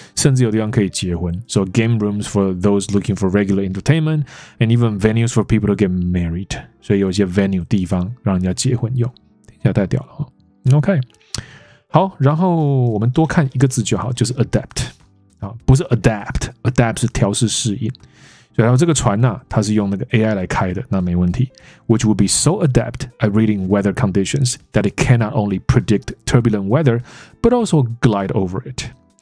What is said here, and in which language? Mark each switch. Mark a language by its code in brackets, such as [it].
[zh] 甚至有地方可以结婚 [en] ，so game rooms for those looking for regular entertainment， and even venues for people to get married。 [zh] 所以有一些 venue 地方让人家结婚用，听起来太屌了哈。 OK， 好，然后我们多看一个字就好，就是 adapt 啊，不是 adapt，adapt 是调试适应。然后这个船呢、啊，它是用那个 AI 来开的，那没问题。 [en] Which would be so adept at reading weather conditions that it can not only predict turbulent weather, but also glide over it。